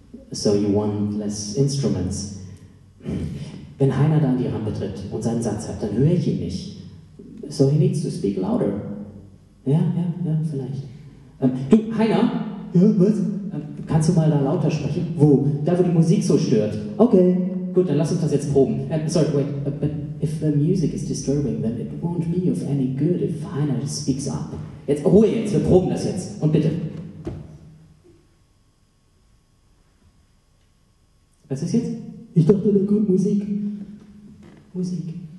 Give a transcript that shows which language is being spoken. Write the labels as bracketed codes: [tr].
[en] So you want less instruments. [de] Wenn Heiner da an die Rampe tritt und seinen Satz hat, dann höre ich ihn nicht. [en] So he needs to speak louder. [de] Ja, vielleicht. Du, Heiner? Ja, was? Kannst du mal da lauter sprechen? Wo? Da, wo die Musik so stört. Okay. Gut, dann lass uns das jetzt proben. [en] Sorry, wait. But if the music is disturbing, then it won't be of any good if Heiner speaks up. [de] Jetzt, Ruhe jetzt, wir proben das jetzt. Und bitte. Was ist jetzt? Ich dachte, da kommt Musik. Musik.